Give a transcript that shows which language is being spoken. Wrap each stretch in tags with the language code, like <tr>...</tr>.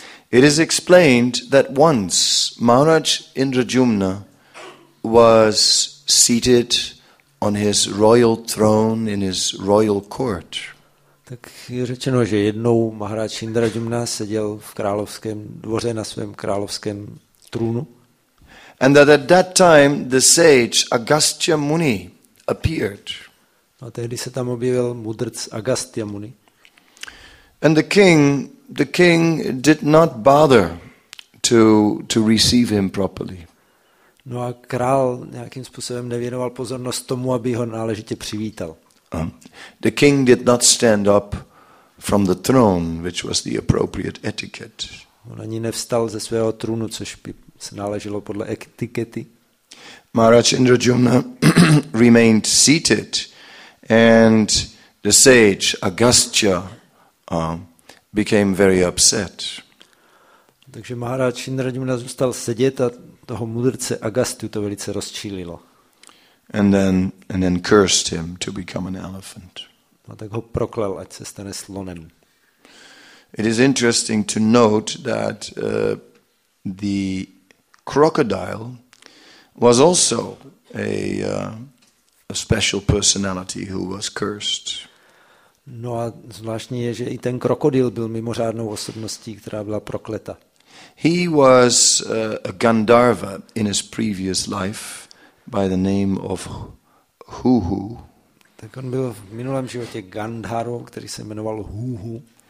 <en>It is explained that once Maharaj Indrajumna was seated on his royal throne in his royal court.</en> <cs>Tak je řečeno, že jednou Maharaj Indrajumna seděl v královském dvoře na svém královském trůnu.</cs> <en>And that at that time the sage Agastya Muni appeared.</en> <cs>A tehdy se tam objevil mudrc Agastya Muni.</cs> <en>And the king did not bother to receive him properly.</en> <cs>No a král nějakým způsobem nevěnoval pozornost tomu, aby ho náležitě přivítal.</cs> <en>The king did not stand up from the throne, which was the appropriate etiquette.</en> <cs>On ani nevstal ze svého trůnu, což by se náleželo podle etikety.</cs> <en>Maharaj Indrajumna remained seated, and the sage Agastya became very upset.</en> <cs>Takže Maharaj Indrajumna zůstal sedět a toho mudrce Agastyu to velice rozčílilo.</cs> <en>And then cursed him to become an elephant.</en> <cs>A tak ho proklel, ať se stane slonem.</cs> <en>It is interesting to note that the crocodile was also a special personality who was cursed.</en> <cs>No a zvláštní je, že i ten krokodýl byl mimořádnou osobností, která byla prokleta.</cs> <en>He was a Gandharva in his previous life by the name of Huhu.</en> <cs>Tak on byl v minulém životě Gandharva, který se jmenoval Huhu.</cs>